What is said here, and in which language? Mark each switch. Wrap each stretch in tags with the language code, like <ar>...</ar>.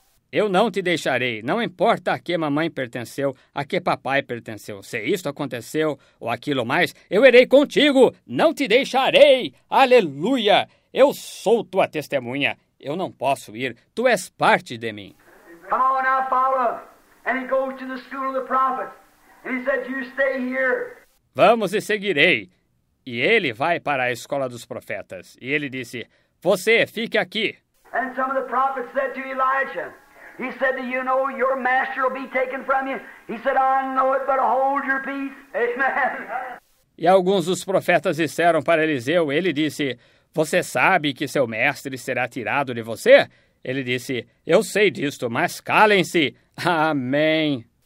<pt>Eu não te deixarei, não importa a que mamãe pertenceu, a que papai pertenceu, se isto aconteceu ou aquilo mais, eu irei contigo, não te deixarei, aleluia, eu sou tua testemunha, eu não posso ir, tu és parte de mim.</pt> <en>Come on, I follow. And he goes to the school of the prophets. And he said, you stay here.</en> <pt>Vamos e seguirei. E ele vai para a escola dos profetas. E ele disse, você fique aqui.</pt> <en>And some of the prophets said to Elijah, he said, do you know your master will be taken from you? He said, I know it, but hold your peace. Amen.</en> <pt>E alguns dos profetas disseram para Eliseu, ele disse, você sabe que seu mestre será tirado de você? Ele disse, eu sei disto, mas calem-se. Amém.</pt>